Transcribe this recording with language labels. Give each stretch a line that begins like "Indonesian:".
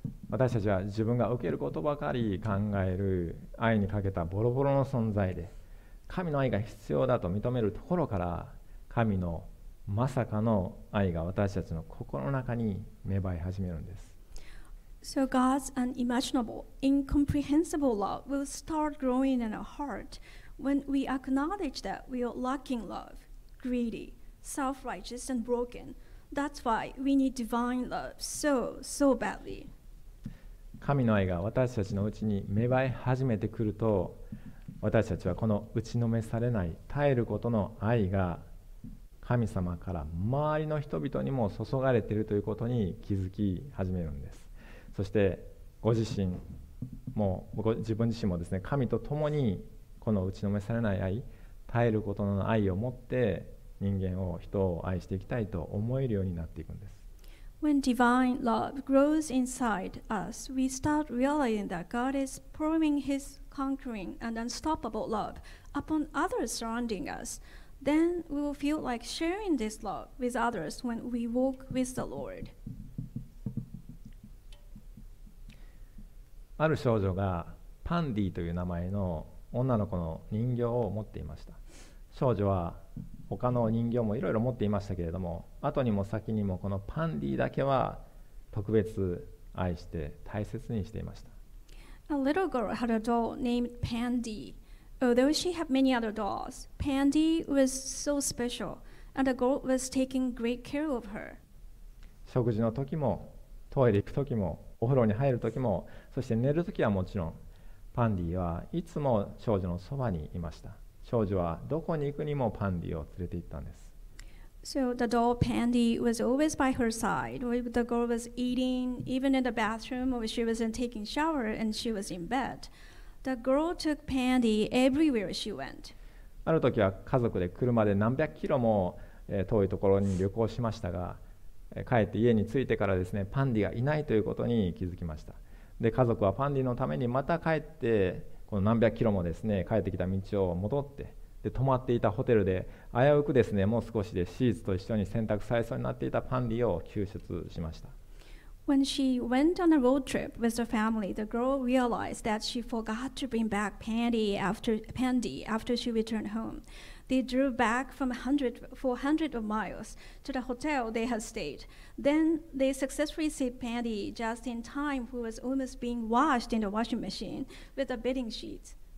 Japanese: 私たちは自分が受けることばかり考える愛にかけたボロボロの存在で、神の愛が必要だと認めるところから、神のまさかの愛が私たちの心の中に芽生え始めるんです。
English: So God's unimaginable, incomprehensible love will start growing in our heart when we acknowledge that we are lacking love, greedy. Self-righteous and broken. That's why we need divine love so, so badly.
Japanese: 神の愛が私たちのうちに芽生え始めてくると、私たちはこの打ちのめされない耐えることの愛が神様から周りの人々にも注がれているということに気づき始めるんです。そしてご自身も自分自身もですね、神と共にこの打ちのめされない愛、耐えることの愛を持って。人間を人を愛していきたいと思えるようになっていくんです。
English: When divine love grows inside us, we start realizing that God is pouring His conquering and unstoppable love upon others surrounding us. Then we will feel like sharing this love with others when we walk with the Lord.
Japanese: ある少女がパンディという名前の女の子の人形を持っていました。少女は他の人形もいろいろ持っていましたけれども、後にも先にもこのパンディだけは特別愛して大切にしていました。
English: A little girl had a doll named Pandy. Although she had many other dolls, Pandy was so special, and the girl was taking great care of her.
Japanese: 食事の時も、トイレ行く時も、お風呂に入る時も、そして寝る時はもちろん、パンディはいつも少女のそばにいました。少女はどこに行くにもパンディを連れて行ったんです。
English: So the doll Pandy was always by her side. The girl was eating, even in the bathroom, or she was in taking shower, and she was in bed. The girl took Pandy everywhere she went.
Japanese: ある時は家族で車で何百キロも遠いところに旅行しましたが、帰って家に着いてからですね、パンディがいないということに気づきました。で、家族はパンディのためにまた帰って、この何百キロもですね、帰ってきた道を戻って、で泊まっていたホテルで危うくですね、もう少しでシーツと一緒に洗濯されそうになっていたパンディを救出しました。
English: When she went on a road trip with her family, the girl realized that she forgot to bring back Pandy after she returned home. They drew back from hundreds of miles to the hotel they had stayed. Then they successfully saved Pandy just in time, who was almost being washed in the washing machine with a bedding sheet.